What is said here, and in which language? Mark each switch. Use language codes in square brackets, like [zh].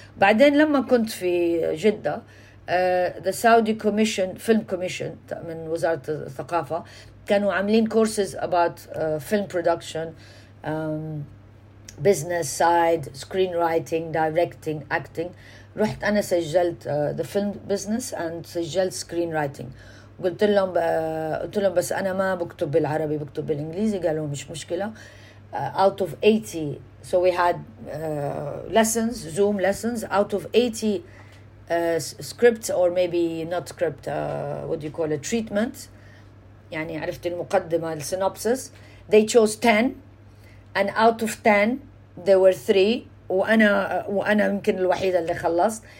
[en] But then, [ar] لما كنت في جدة, [en] the Saudi Commission, Film Commission, [ar] من وزارة الثقافة, كانوا عاملين [en] courses about film production, business side, screenwriting, directing, acting. [ar] رحت أنا سجلت [en] the film business and [ar] سجلت [en] screenwriting. [ar] قلت لهم بس أنا ما بكتب بالعربي, بكتب بالإنجليزي. قالوا مش مشكلة. [en] Out of 80, so we had lessons, Zoom lessons. Out of 80 scripts, or maybe not script, what do you call it, treatment, [ar] يعني عرفت المقدمة, [en] the synopsis, they chose 10, and out of 10 there were 3, [ar] وأنا يمكن الوحيدة اللي خلصت.